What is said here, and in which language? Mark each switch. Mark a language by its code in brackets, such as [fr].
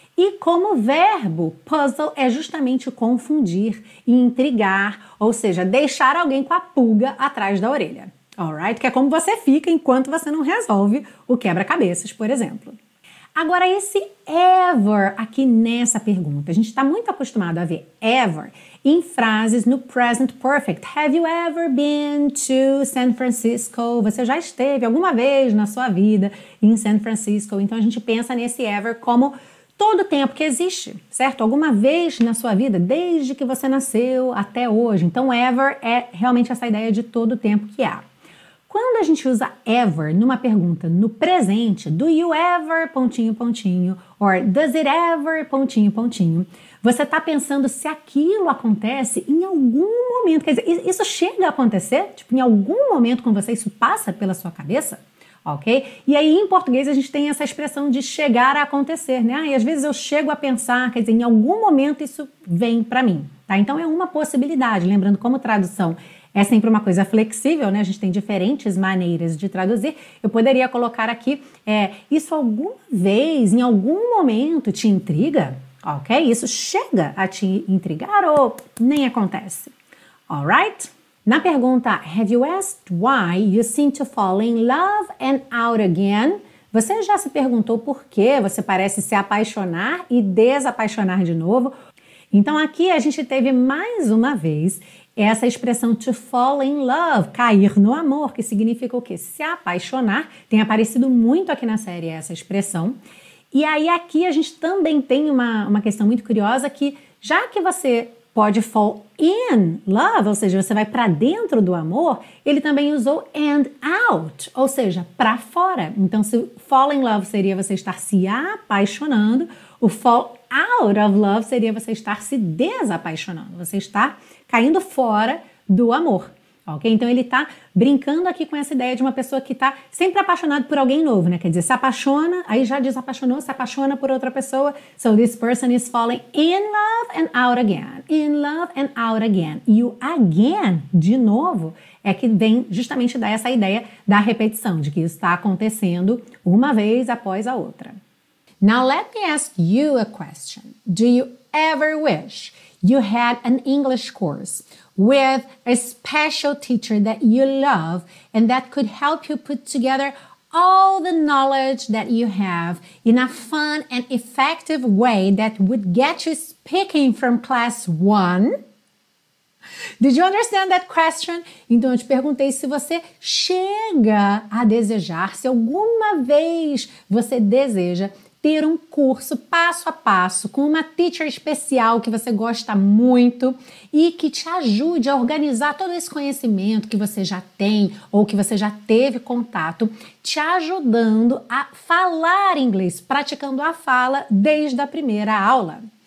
[pt] E como verbo, puzzle é justamente confundir, intrigar, ou seja, deixar alguém com a pulga atrás da orelha. [en] Alright? [pt] Que é como você fica enquanto você não resolve o quebra-cabeças, por exemplo. Agora, esse ever aqui nessa pergunta, a gente está muito acostumado a ver ever em frases no present perfect. [en] Have you ever been to San Francisco? [pt] Você já esteve alguma vez na sua vida em San Francisco? Então, a gente pensa nesse ever como todo tempo que existe, certo? Alguma vez na sua vida, desde que você nasceu até hoje. Então, ever é realmente essa ideia de todo tempo que há. Quando a gente usa ever numa pergunta no presente, [en] do you ever, [pt] pontinho, pontinho, [en] or does it ever, [pt] pontinho, pontinho, você está pensando se aquilo acontece em algum momento. Quer dizer, isso chega a acontecer? Tipo, em algum momento com você, isso passa pela sua cabeça? Ok? E aí, em português, a gente tem essa expressão de chegar a acontecer, né? E às vezes eu chego a pensar, quer dizer, em algum momento isso vem para mim, tá? Então, é uma possibilidade. Lembrando, como tradução é sempre uma coisa flexível, né? A gente tem diferentes maneiras de traduzir. Eu poderia colocar aqui, isso alguma vez, em algum momento, te intriga? [en] Ok? [pt] Isso chega a te intrigar ou nem acontece? [en] Alright? [pt] Na pergunta, [en] have you asked why you seem to fall in love and out again? [pt] Você já se perguntou por que você parece se apaixonar e desapaixonar de novo? Então aqui a gente teve mais uma vez essa expressão [en] to fall in love, [pt] cair no amor, que significa o quê? Se apaixonar. Tem aparecido muito aqui na série essa expressão. E aí aqui a gente também tem uma questão muito curiosa que, já que você pode [en] fall in love, [pt] ou seja, você vai para dentro do amor, ele também usou and out, ou seja, para fora. Então, se fall in love seria você estar se apaixonando, o [en] fall out of love [pt] seria você estar se desapaixonando, você está caindo fora do amor, ok? Então, ele está brincando aqui com essa ideia de uma pessoa que está sempre apaixonada por alguém novo, né? Quer dizer, se apaixona, aí já desapaixonou, se apaixona por outra pessoa. [en] So, this person is falling in love and out again. In love and out again. [pt] E o again, de novo, é que vem justamente dar essa ideia da repetição, de que isso está acontecendo uma vez após a outra. [en] Now, let me ask you a question. Do you ever wish you had an English course with a special teacher that you love and that could help you put together all the knowledge that you have in a fun and effective way that would get you speaking from class one? Did you understand that question? [pt] Então, eu te perguntei se você chega a desejar, se alguma vez você deseja ter um curso passo a passo com uma teacher especial que você gosta muito e que te ajude a organizar todo esse conhecimento que você já tem ou que você já teve contato, te ajudando a falar inglês, praticando a fala desde a primeira aula.